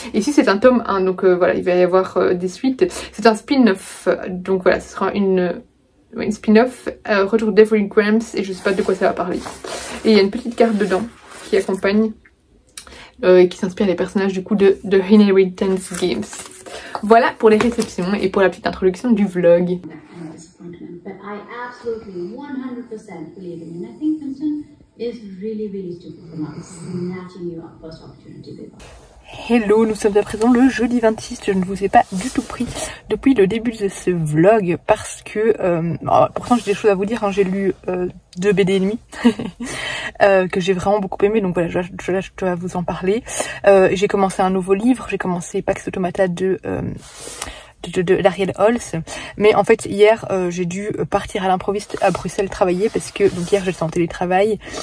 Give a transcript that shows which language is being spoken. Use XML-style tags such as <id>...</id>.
<fr>Ici, c'est un tome 1, donc voilà, il va y avoir des suites. C'est un spin-off, donc voilà, ce sera une spin-off. Retour d'Evelyn Grams, et je sais pas de quoi ça va parler. Et il y a une petite carte dedans, qui accompagne, et qui s'inspire des personnages, du coup, de Inheritance Games. Voilà pour les réceptions et pour la petite introduction du vlog.</fr> <en>But I absolutely 100% believe in you. And I think Vincent is really, really stupid for not snatching you up first opportunity.</en> <fr>Hello, nous sommes à présent le jeudi 26, je ne vous ai pas du tout pris depuis le début de ce vlog parce que, pourtant j'ai des choses à vous dire, hein, j'ai lu 2 BD et demi que j'ai vraiment beaucoup aimé, donc voilà, je dois vous en parler. J'ai commencé un nouveau livre, j'ai commencé Pax Automata de l'Ariel Holz, mais en fait hier j'ai dû partir à l'improviste à Bruxelles travailler parce que donc hier j'étais en télétravail.</fr>